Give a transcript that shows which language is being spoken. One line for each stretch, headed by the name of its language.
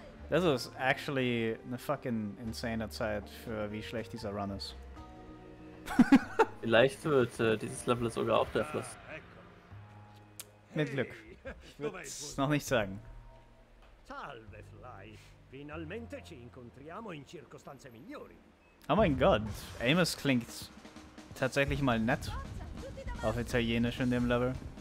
German: Das ist actually eine
English: fucking insane
German: Zeit für wie schlecht dieser Run ist. Vielleicht wird dieses Level sogar auch der Fluss. Mit Glück. Ich würde es noch nicht sagen.
Italian: Salve, Fly. Finalmente ci incontriamo in circostanze migliori.
German: Oh mein Gott, Amos klingt tatsächlich mal nett auf Italienisch in dem Level.